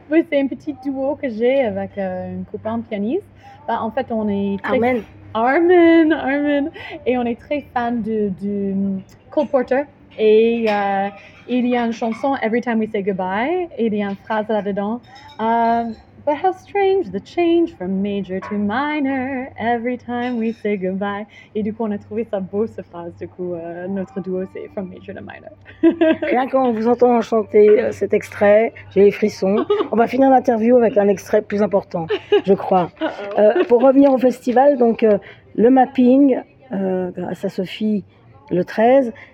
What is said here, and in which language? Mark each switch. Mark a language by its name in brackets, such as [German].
[French] Oui, c'est un petit duo que j'ai avec une copain pianiste. Bah, en fait, on est très... Amen. Armin. Et on est très fan de Cole Porter. Et il y a une chanson, Every Time We Say Goodbye. Et il y a une phrase là-dedans. [English] But how strange the change from major to minor. Every time we say goodbye. [French] Et du coup, on a trouvé ça beau, cette phrase. Du coup, notre duo, c'est from major to minor. Rien qu'en vous entend chanter cet extrait, j'ai les frissons. On va finir l'interview avec un extrait plus important, je crois. Pour revenir au festival, donc le mapping, grâce à Sophie, le 13.